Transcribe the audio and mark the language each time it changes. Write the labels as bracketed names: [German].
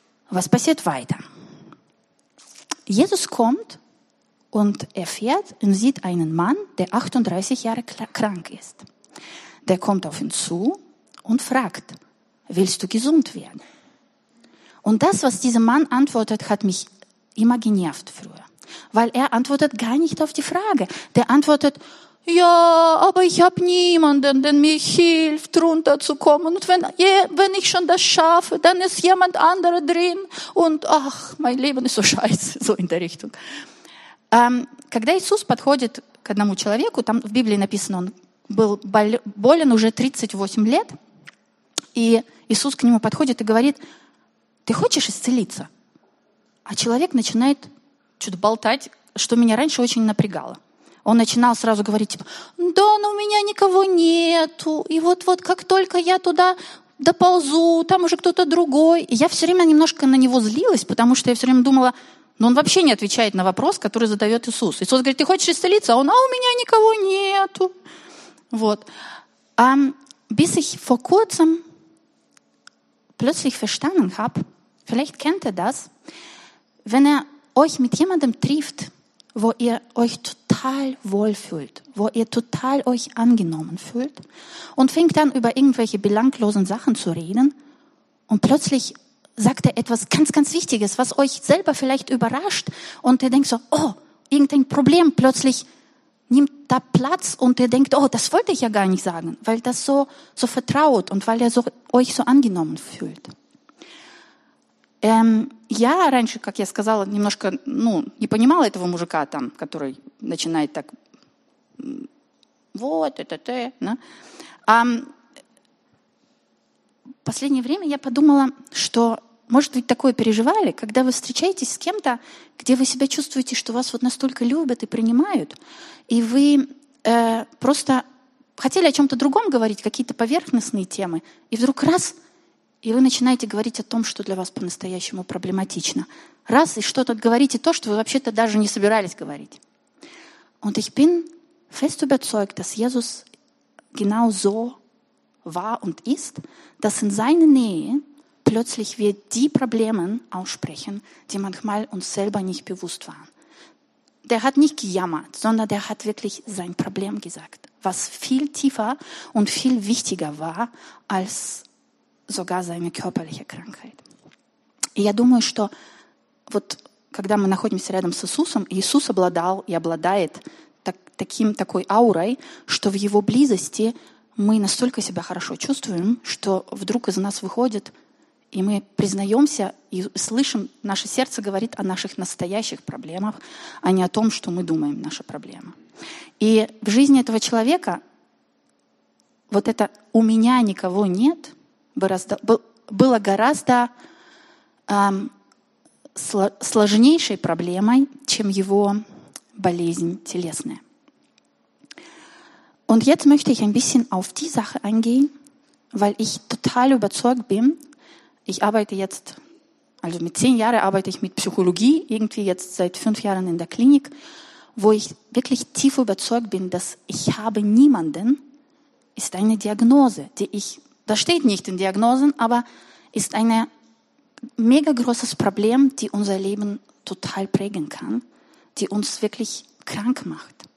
[German] Was passiert weiter? Jesus kommt und er fährt und sieht einen Mann, der 38 Jahre krank ist. Der kommt auf ihn zu und fragt, willst du gesund werden? Und das, was dieser Mann antwortet, hat mich immer genervt früher. Weil er antwortet gar nicht auf die Frage. Der antwortet, ja, aber ich habe niemanden, der mir hilft, runterzukommen. Und wenn ich schon das schaffe, dann ist jemand anderer drin. Und ach, mein Leben ist so scheiße, so in der Richtung. [Russian] Когда Иисус подходит к одному человеку, там в Библии написано, он был болен уже 38 лет, и Иисус к нему подходит и говорит, ты хочешь исцелиться? А человек начинает что-то болтать, что меня раньше очень напрягало. Он начинал сразу говорить, типа, да, но у меня никого нету, и вот-вот, как только я туда доползу, там уже кто-то другой. И я все время немножко на него злилась, потому что я все время думала, но он вообще не отвечает на вопрос, который задает Иисус. Иисус говорит, ты хочешь исцелиться? А он, а у меня никого нету. Вот. [German] Bis ich vor kurzem plötzlich verstanden habe, vielleicht kennt ihr das, wenn ihr euch mit jemandem trifft, wo ihr euch total wohl fühlt, wo ihr total euch angenommen fühlt und fängt dann über irgendwelche belanglosen Sachen zu reden und plötzlich sagt er etwas ganz, ganz Wichtiges, was euch selber vielleicht überrascht und ihr denkt so, oh, irgendein Problem plötzlich nimmt da Platz und ihr denkt, oh, das wollte ich ja gar nicht sagen, weil das so, so vertraut und weil er so, euch so angenommen fühlt. [Russian] Я раньше, как я сказала, немножко, ну, не понимала этого мужика там, который начинает так, вот, это-то, да. В последнее время я подумала, что, может быть, такое переживали, когда вы встречаетесь с кем-то, где вы себя чувствуете, что вас вот настолько любят и принимают, и вы просто хотели о чем-то другом говорить, какие-то поверхностные темы, и вдруг раз... И вы начинаете говорить о том, что для вас по-настоящему проблематично. Раз, и что-то говорите то, что вы вообще-то даже не собирались говорить. [German] Und ich bin fest überzeugt, dass Jesus genau so war und ist, dass in seiner Nähe plötzlich wir die Probleme aussprechen, die manchmal uns selber nicht bewusst waren. Der hat nicht gejammert, sondern der hat wirklich sein Problem gesagt. was viel tiefer und viel wichtiger war als sogar seine körperliche Krankheit. [Russian] И я думаю, что вот когда мы находимся рядом с Иисусом, Иисус обладал и обладает такой аурой, что в его близости мы настолько себя хорошо чувствуем, что вдруг из нас выходит, и мы признаемся и слышим, наше сердце говорит о наших настоящих проблемах, а не о том, что мы думаем, наши проблемы. И в жизни этого человека вот это «у меня никого нет» было гораздо сложнейшей проблемой, чем его болезнь телесная. [German] Und jetzt möchte ich ein bisschen auf die Sache eingehen, weil ich total überzeugt bin, ich arbeite jetzt, also mit 10 Jahren arbeite ich mit Psychologie, irgendwie jetzt seit 5 Jahren in der Klinik, wo ich wirklich tief überzeugt bin, dass ich habe niemanden, ist eine Diagnose, die ich, das steht nicht in Diagnosen, aber ist ein mega großes Problem, die unser Leben total prägen kann, die uns wirklich krank macht.